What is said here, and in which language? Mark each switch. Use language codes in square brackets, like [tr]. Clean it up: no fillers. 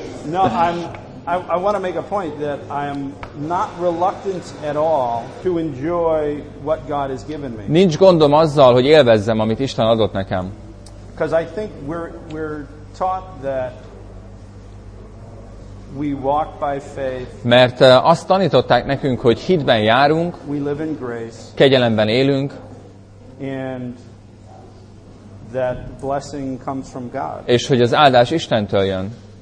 [en] No, I want to make a point that I am not reluctant at all to enjoy what God has given me. [hu] Nincs gondom azzal, hogy élvezzem, amit Isten adott nekem. [en] Because I think we're taught that we walk by faith. [hu] Mert azt tanították nekünk, hogy hitben járunk. [en] We live in grace. [hu] Kegyelemben élünk. [en] And that blessing comes from God. [hu] És hogy az áldás Istentől jön.